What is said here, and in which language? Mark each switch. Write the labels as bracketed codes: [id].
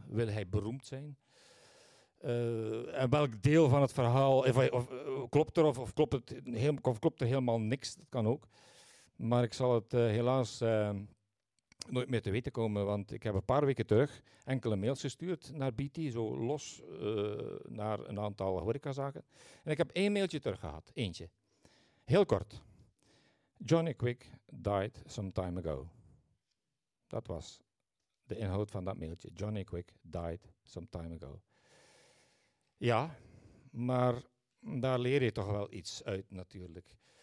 [nl] Wil hij beroemd zijn? En welk deel van het verhaal klopt er helemaal niks? Dat kan ook. Maar ik zal het helaas nooit meer te weten komen, want ik heb een paar weken terug enkele mails gestuurd naar BT, zo los naar een aantal horecazaken. En ik heb 1 mailtje terug gehad, eentje. Heel kort. [en] Johnny Quick died some time ago. [nl] Dat was de inhoud van dat mailtje. [en] Johnny Quick died some time ago. [nl] Ja, maar daar leer je toch wel iets uit natuurlijk.